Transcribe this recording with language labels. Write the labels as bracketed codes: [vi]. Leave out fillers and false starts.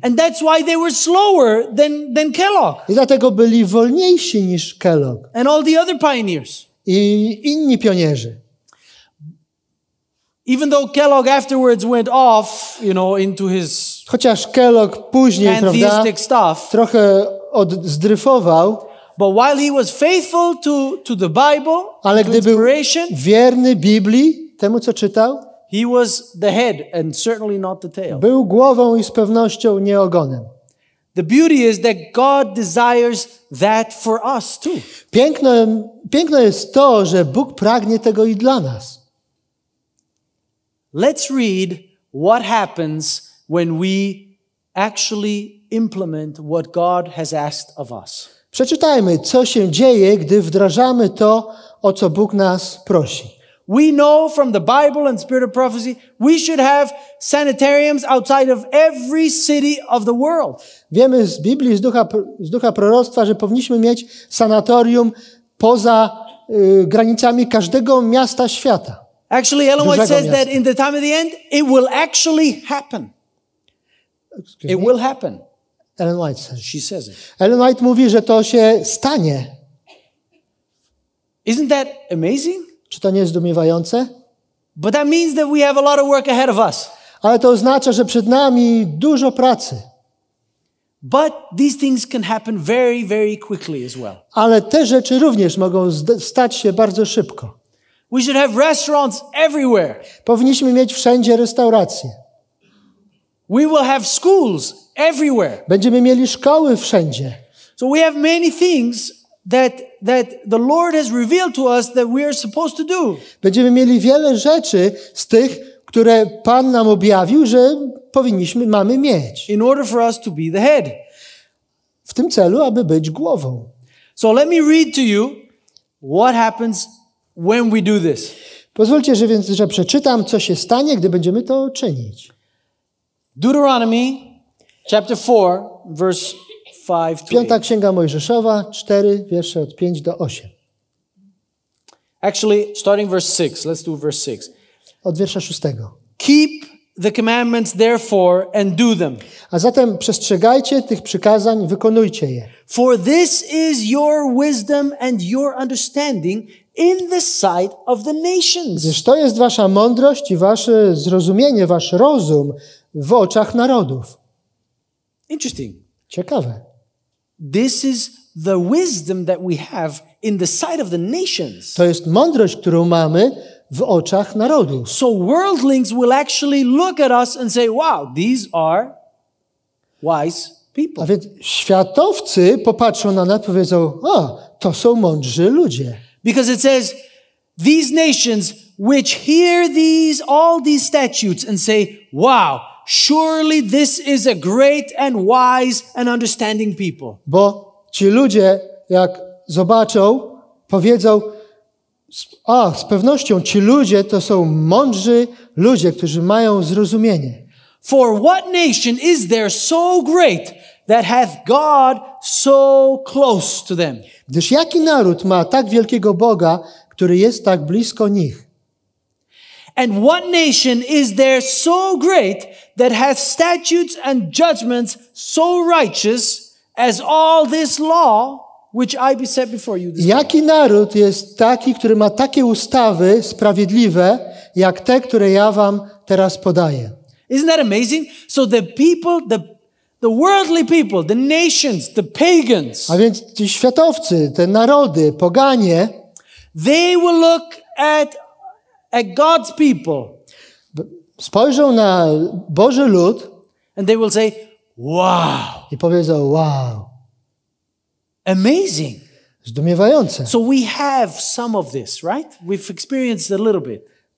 [en] And that's why they were slower than Kellogg. [pl] I dlatego byli wolniejsi niż Kellogg. [en] And all the other pioneers. [pl] I inni pionierzy. [en] Even though Kellogg afterwards went off, you know, into his [pl] chociaż Kellogg później, prawda, [en] stuff, [pl] trochę zdryfował, [en] but while he was faithful to the Bible, [pl] ale to gdy był wierny Biblii, temu co czytał, [en] he was the head and certainly not the tail. [pl] Był głową i z pewnością nie ogonem. [en] The beauty is that God desires that for us too. [pl] Piękne jest to, że Bóg pragnie tego i dla nas. [en] Let's read what happens when we actually implement what God has asked of us. [pl] Przeczytajmy, co się dzieje, gdy wdrażamy to, o co Bóg nas prosi. [en] We know from the Bible and spirit of prophecy, we should have sanitariums outside of every city of the world. [pl] Wiemy z Biblii, z ducha proroctwa, że powinniśmy mieć sanatorium poza granicami każdego miasta świata. [en] Actually, Ellen White says that in the time of the end, it will actually happen. It will happen. Ellen White says. She says it. [pl] Ellen White mówi, że to się stanie. [en] Isn't that amazing? [pl] Czy to nie jest zdumiewające? [en] But that means that we have a lot of work ahead of us. [pl] Ale to oznacza, że przed nami dużo pracy. [en] But these things can happen very, very quickly as well. [pl] Ale te rzeczy również mogą stać się bardzo szybko. [en] We should have restaurants everywhere. [pl] Powinniśmy mieć wszędzie restauracje. [en] We will have schools everywhere. [pl] Będziemy mieli szkoły wszędzie. [en] So we have many things that the Lord has revealed to us that we are supposed to do. [pl] Będziemy mieli wiele rzeczy z tych, które Pan nam objawił, że mamy mieć. [en] In order for us to be the head. [pl] W tym celu, aby być głową. [en] So let me read to you what happens when we do this. [pl] Pozwólcie, że więc że przeczytam, co się stanie, gdy będziemy to czynić. [en] Deuteronomy chapter 4 verse 5 to [pl] 8. Piąta księga Mojżeszowa, 4 wiersze od 5 do 8. [en] Actually, starting verse 6. Let's do verse 6. [pl] Od wiersza 6. [en] Keep the commandments therefore and do them. [pl] A zatem przestrzegajcie tych przykazań, wykonujcie je. [en] For this is your wisdom and your understanding in the sight of the nations. [pl] Gdyż to jest wasza mądrość i wasze zrozumienie, wasz rozum w oczach narodów. [en] Interesting. [pl] Ciekawe. [en] This is the wisdom that we have in the sight of the nations. [pl] To jest mądrość, którą mamy w oczach narodów. [en] So worldlings will actually look at us and say, wow, these are wise people. [pl] A więc światowcy popatrzą na nas i powiedzą, o, to są mądrzy ludzie. [en] Because it says, these nations which hear these, all these statutes and say, wow, surely this is a great and wise and understanding people. [pl] Bo ci ludzie, jak zobaczą, powiedzą, a z pewnością ci ludzie to są mądrzy ludzie, którzy mają zrozumienie. [en] For what nation is there so great that hath God so close to them? [pl] Gdyż jaki naród ma tak wielkiego Boga, który jest tak blisko nich? [en] And what nation is there so great that hath statutes and judgments so righteous as all this law which I beset before you this day? [pl] Jaki naród jest taki, który ma takie ustawy sprawiedliwe, jak te, które ja wam teraz podaję? [en] Isn't that amazing? So the people, the worldly people, the nations, the pagans. [pl] A więc ci światowcy, te narody, poganie, [en] they will look at God's people. [pl] Spojrzą na Boży lud, [en] and they will say, wow. [pl] I powiedzą, wow. [en] Amazing. [pl] Zdumiewające. [en] So we have some of this, right? We've experienced a little bit.